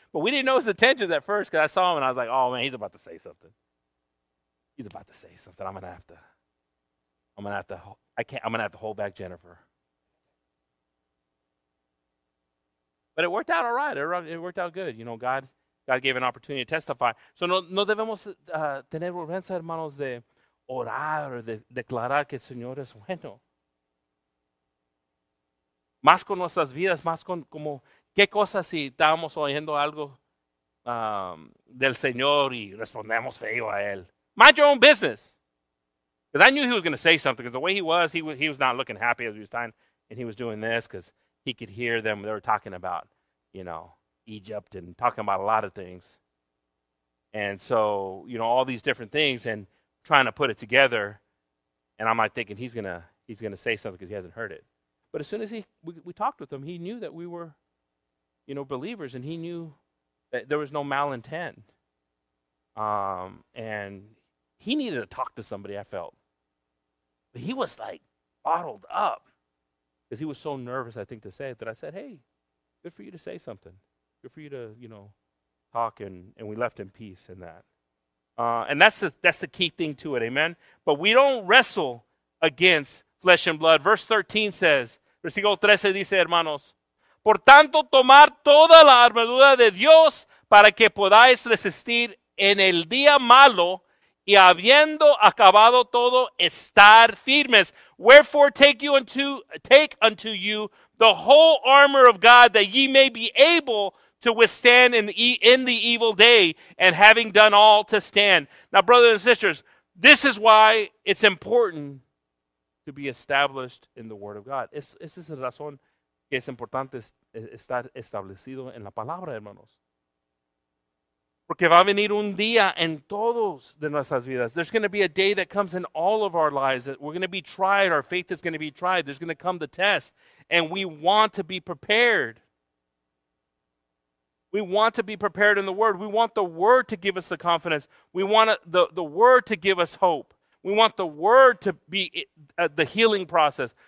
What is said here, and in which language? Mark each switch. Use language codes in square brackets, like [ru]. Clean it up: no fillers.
[en] But we didn't know his intentions at first because I saw him and I was like, oh, man, he's about to say something. I'm going to have to hold back Jennifer. But it worked out all right. It worked out good. You know, God gave an opportunity to testify. [es] So no debemos tener vergüenza, hermanos, de orar, de declarar que el Señor es bueno. Más con nuestras vidas, más con como, ¿qué cosa si estábamos oyendo algo del Señor y respondemos feo a Él? [en] Mind your own business. Because I knew he was going to say something. Because the way he was not looking happy as he was dying. And he was doing this because he could hear them. They were talking about, you know, Egypt and talking about a lot of things. And so, you know, all these different things and trying to put it together. And I'm like thinking he's gonna say something because he hasn't heard it. But as soon as we talked with him, he knew that we were, you know, believers. And he knew that there was no malintent. And he needed to talk to somebody, I felt. But he was, like, bottled up because he was so nervous, I think, to say it that I said, hey, good for you to say something. Good for you to, you know, talk. And we left in peace in that. And that's the key thing to it, amen? But we don't wrestle against flesh and blood. Verse 13 says, [es] versículo 13 dice, hermanos, por tanto, tomar toda la armadura de Dios para que podáis resistir en el día malo, y habiendo acabado todo, estar firmes. [en] Wherefore take unto you the whole armor of God, that ye may be able to withstand in the evil day, and having done all, to stand. Now, brothers and sisters, this is why it's important to be established in the Word of God. [es] Esa es la razón que es importante estar establecido en la palabra, hermanos. Porque va a venir un día en todos de nuestras vidas. [en] There's going to be a day that comes in all of our lives that we're going to be tried. Our faith is going to be tried. There's going to come the test. And we want to be prepared. We want to be prepared in the Word. We want the Word to give us the confidence. We want the Word to give us hope. We want the Word to be the healing process.